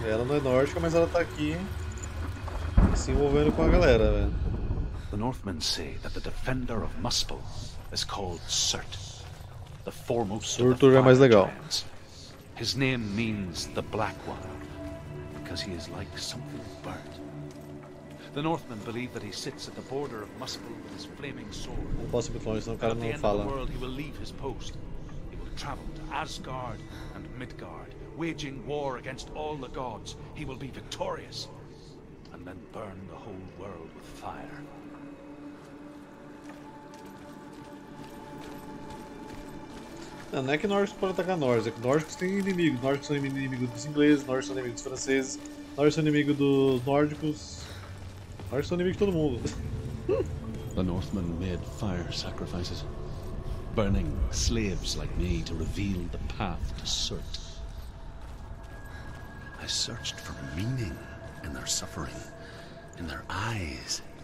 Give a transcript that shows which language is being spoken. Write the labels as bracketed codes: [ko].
[pt] Ela não é nórdica, mas ela tá aqui se envolvendo com a galera, velho. [en] The Northmen say that the defender of Muspel is called Surt. The foremost [pt] Surtur é mais legal. [en] His name means the black one because he is like something burnt. The Northmen believe that he sits at the border of Muspel with his flaming sword. [pt] Não posso me falar, senão o cara não fala. [en] He will leave his post. Traveled to Asgard and Midgard, waging war against all the gods. He will be victorious, and then burn the whole world with fire. [pt] Não, não é que Norse pode atacar Norse, é que Norse tem inimigos. Norse são inimigos dos ingleses, Norse são inimigos dos franceses, Norse são inimigos dos nórdicos, Norse são inimigos de todo mundo. [en] The Northmen made fire sacrifices. Burning slaves like me to reveal the path to Surt. I searched for meaning in their suffering, in their eyes.